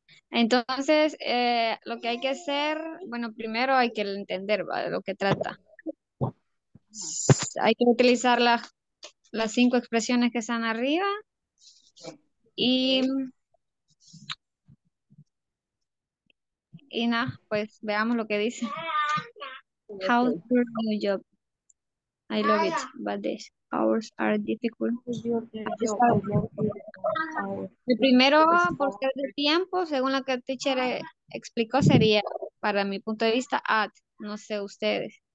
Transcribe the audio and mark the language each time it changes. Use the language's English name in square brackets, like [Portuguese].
[Spanish] Entonces, lo que hay que hacer, bueno, primero hay que entender, ¿va?, de lo que trata. Hay que utilizar las 5 expresiones que están arriba y nada, pues veamos lo que dice. [English] How is your new job? I love it, but the hours are difficult. [Spanish] El primero, por ser de tiempo, según lo que el teacher explicó, sería, para mi punto de vista, at, no sé ustedes.